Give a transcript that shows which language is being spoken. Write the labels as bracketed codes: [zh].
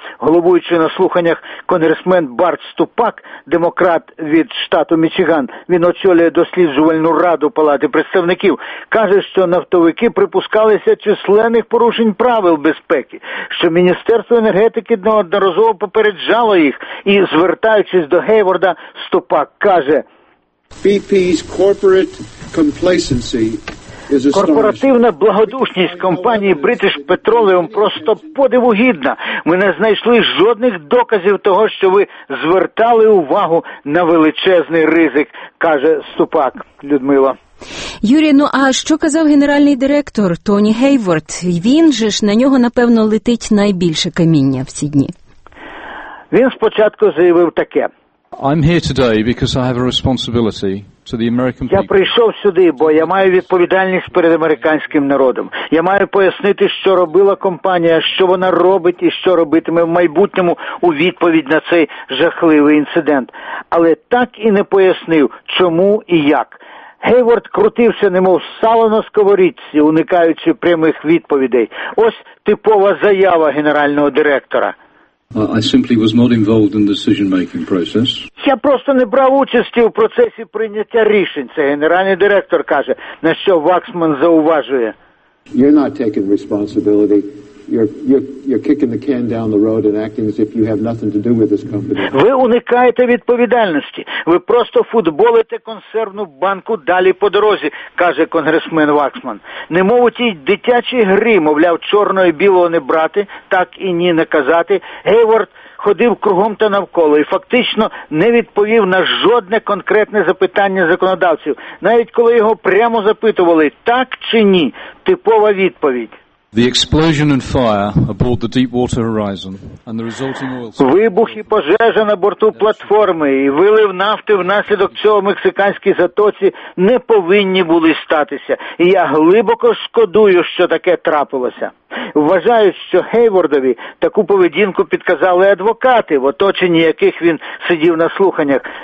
[uk] Головуючий на слуханнях конгресмен Барт Ступак, демократ від штату Мічиган, він очолює досліджувальну раду Палати представників, каже, що нафтовики припускалися численних порушень правил безпеки, що Міністерство енергетики неодноразово попереджало їх, і, звертаючись до Гейворда, Ступак каже: [en] BP's corporate complacency. [uk] Корпоративна благодушність компанії British Petroleum просто подивугідна. Ми не знайшли жодних доказів того, що ви звертали увагу на величезний ризик, каже Ступак Людмила. Юрій, ну а що казав генеральний директор Тоні Гейворд? Він же ж, на нього, напевно, летить найбільше каміння в ці дні. Він спочатку заявив таке. [en] I'm here today because I have a responsibility. [uk] Я прийшов сюди, бо я маю відповідальність перед американським народом. Я маю пояснити, що робила компанія, що вона робить і що робитиме в майбутньому у відповідь на цей жахливий інцидент. Але так і не пояснив, чому і як. Гейворд крутився, немов сало на сковорідці, уникаючи прямих відповідей. Ось типова заява генерального директора. [en] I simply was not involved in the decision-making process. [uk] Я просто не брав участі у процесі прийняття рішень, це генеральний директор каже, на що Ваксман зауважує. [en] You're not taking responsibility. You're kicking the can down the road and acting as if you have nothing to do with this company. [uk] Ви уникаєте відповідальності. Ви просто футболите консервну банку далі по дорозі, каже конгресмен Ваксман. Немов у тій дитячій грі, мовляв, чорного і білого не брати, так і ні не казати. Гейворд ходив кругом та навколо і фактично не відповів на жодне конкретне запитання законодавців. Навіть коли його прямо запитували, так чи ні, типова відповідь. [en] The explosion and fire aboard the Deepwater Horizon and the resulting oil. [uk] Вибух і пожежа на борту платформи і вилив нафти внаслідок цього в Мексиканській затоці не повинні були статися. І я глибоко шкодую, що таке трапилося. Вважаю, що Гейвордові таку поведінку підказали адвокати, в оточенні яких він сидів на слуханнях.